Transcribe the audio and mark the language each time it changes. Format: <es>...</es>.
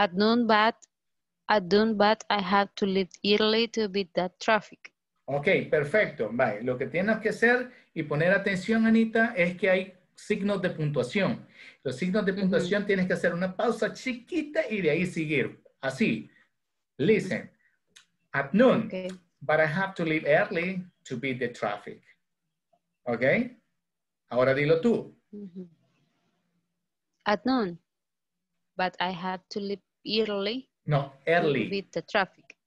<en>At noon, but I have to leave early to beat that traffic.</en> <es>Ok, perfecto. Vale. Lo que tienes que hacer y poner atención, Anita, es que hay signos de puntuación. Los signos de puntuación, uh-huh, tienes que hacer una pausa chiquita y de ahí seguir. Así. Listen. Uh-huh.</es> <en>At noon, okay, but I have to leave early to beat the traffic.</en> <es>Ok. Ahora dilo tú. Mm-hmm.</es> <en>At noon, but I have to leave early. No, early. To beat the traffic.</en>